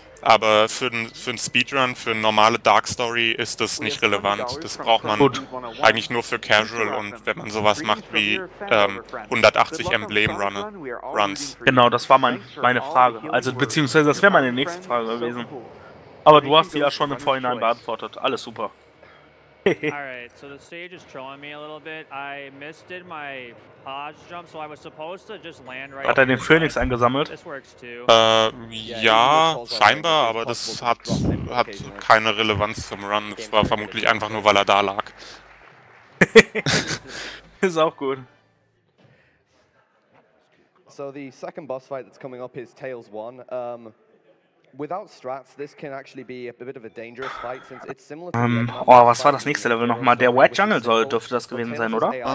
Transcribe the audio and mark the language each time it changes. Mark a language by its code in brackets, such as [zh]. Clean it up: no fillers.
[de] Aber für einen Speedrun, für eine normale Dark Story ist das nicht relevant. Das braucht man eigentlich nur für Casual und wenn man sowas macht wie 180 Emblem-Runs. Genau, das war meine Frage. Also, beziehungsweise, das wäre meine nächste Frage gewesen. Aber du hast sie ja schon im Vorhinein beantwortet. Alles super. [en] Alright, so the stage is trolling me a little bit. I missed it my Hodge jump, so I was supposed to just land right. [de] Hat er den Phoenix eingesammelt? Ja, scheinbar, aber das hat keine Relevanz zum Run. Es war vermutlich einfach nur, weil er da lag. Ist auch gut. [en] So the second boss fight that's coming up is Tails 1. Without strats, this can actually be a bit of a dangerous fight since it's similar to [de] Oh, was war das nächste Level nochmal? Der White Jungle dürfte das gewesen sein, oder?